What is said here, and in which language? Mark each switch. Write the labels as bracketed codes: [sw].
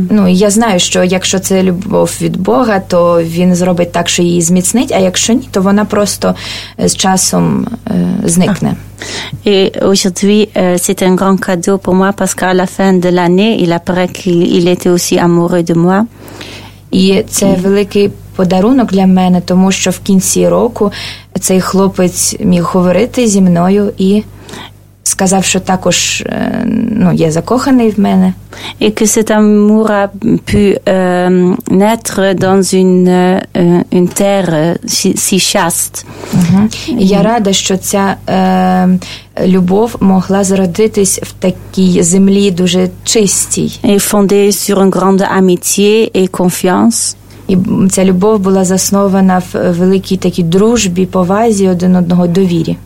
[uk] Ну, я знаю, що якщо це любов від Бога, то він зробить так, що її зміцнить, а якщо ні, то вона просто з часом зникне. [fr] Et aujourd'hui, c'est un grand cadeau pour moi parce qu'à la fin de l'année, il apparaît qu'il était aussi amoureux de moi. [uk] І це великий подарунок для мене, тому що в кінці року цей хлопець міг говорити зі мною і сказав, що також ну, є закоханий в мене. [fr] І que cet amour a pu naître dans une terre si chaste. [uk] Я рада, що ця любов могла зародитись в такій землі дуже чистій. [fr] Et fondée sur une grande amitié et confiance. [uk] І ця любов була заснована в великій такій дружбі, повазі один одного, довірі.